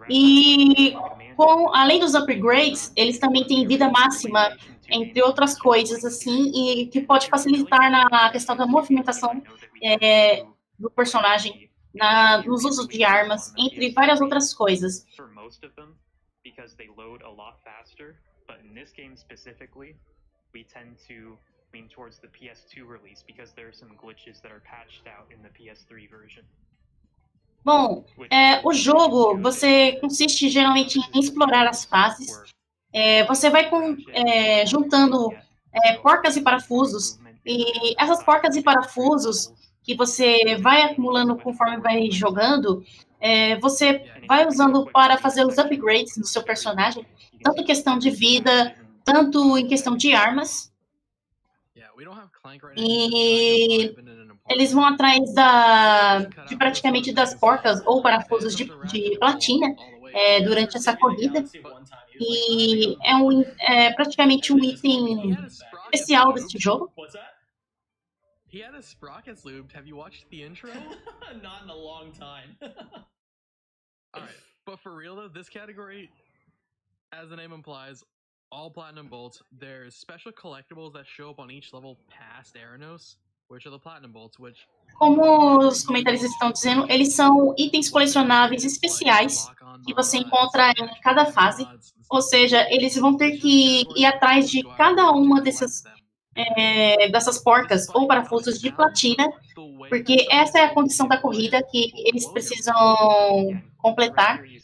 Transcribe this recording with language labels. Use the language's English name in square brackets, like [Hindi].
[Portuguese] Ratchet. Com além dos upgrades, eles também têm vida máxima, entre outras coisas assim, e que pode facilitar na questão da movimentação do personagem, nos usos de armas, entre várias outras coisas. [English] Because they load a lot faster, but in this game specifically, we tend to lean towards the PS2 release because there are some glitches that are patched out in the PS3 version. [Portuguese] Bom, o jogo você consiste geralmente em explorar as fases. Você vai juntando porcas e parafusos, e essas porcas e parafusos que você vai acumulando conforme vai jogando. Você vai usando para fazer os upgrades no seu personagem, tanto em questão de vida, tanto em questão de armas. E eles vão atrás praticamente das porcas ou parafusos de platina durante essa corrida. E é praticamente um item especial desse jogo. [English] He had his sprockets lubed. Have you watched the intro? Not in a long time. Alright, but for real though, this category, as the name implies, all platinum bolts. There's special collectibles that show up on each level past Aranos, which are the platinum bolts, which... [Portuguese] Como os comentaristas estão dizendo, eles são itens colecionáveis especiais que você encontra em cada fase. Ou seja, eles vão ter que ir atrás de cada uma dessas porcas ou parafusos de platina, porque essa é a condição da corrida que eles precisam completar.